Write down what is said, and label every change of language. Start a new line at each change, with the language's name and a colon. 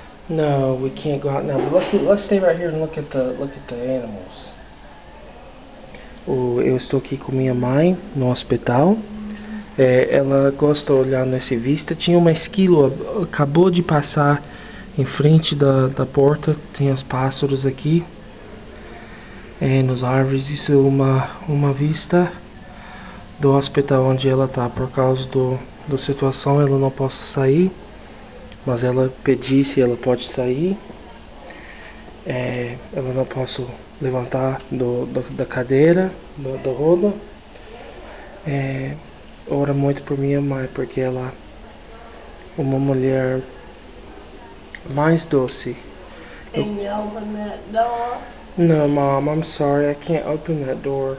English: No, we can't go out now. But let's stay right here and look at the animals.
Portuguese: Eu estou aqui com minha mãe no hospital. Ela gosta de olhar nessa vista. Tinha uma esquilo, acabou de passar em frente da porta. Tem os pássaros aqui. Nas árvores. Isso é uma vista do hospital onde ela está. Por causa da situação, ela não pode sair. Mas ela pediu se ela pode sair. Ela não posso levantar da cadeira, da roda. Ora muito por minha mãe, porque ela é uma mulher mais doce.
English: Can you open that door? No, Mom, I'm sorry, I can't open that door.